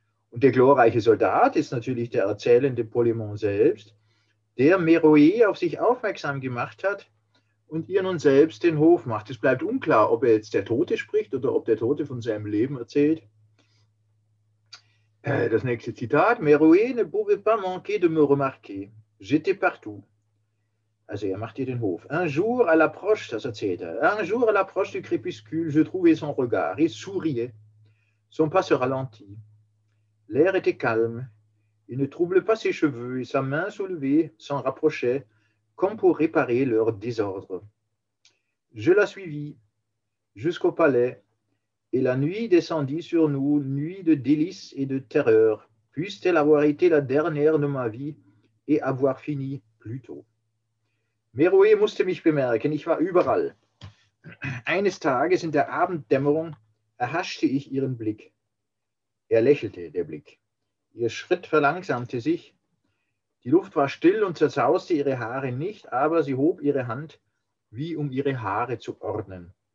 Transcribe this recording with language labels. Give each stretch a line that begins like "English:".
German: Und der glorreiche Soldat ist natürlich der erzählende Polymon selbst, der Meroe auf sich aufmerksam gemacht hat und ihr nun selbst den Hof macht. Es bleibt unklar, ob er jetzt der Tote spricht oder ob der Tote von seinem Leben erzählt. Das nächste Zitat:
French: Meroe ne pouvait pas manquer de me remarquer. J'étais partout.
German: Also er macht ihr den Hof.
French: Un jour à l'approche,
German: das erzählt er,
French: un jour à l'approche du crépuscule, je trouvais son regard. Il souriait. Son pas se ralentit. L'air était calme. Il ne troublait pas ses cheveux et sa main soulevée s'en rapprochait comme pour réparer leur désordre. Je la suivis jusqu'au palais. Et la nuit descendit sur nous, nuit de délices et de terreur. Puisse-t-elle avoir été la dernière de ma vie et avoir fini plus tôt.
German: Meroe musste mich bemerken, ich war überall. Eines Tages in der Abenddämmerung erhaschte ich ihren Blick. Er lächelte, der Blick. Ihr Schritt verlangsamte sich. Die Luft war still und zerzauste ihre Haare nicht, aber sie hob ihre Hand, wie um ihre Haare zu ordnen.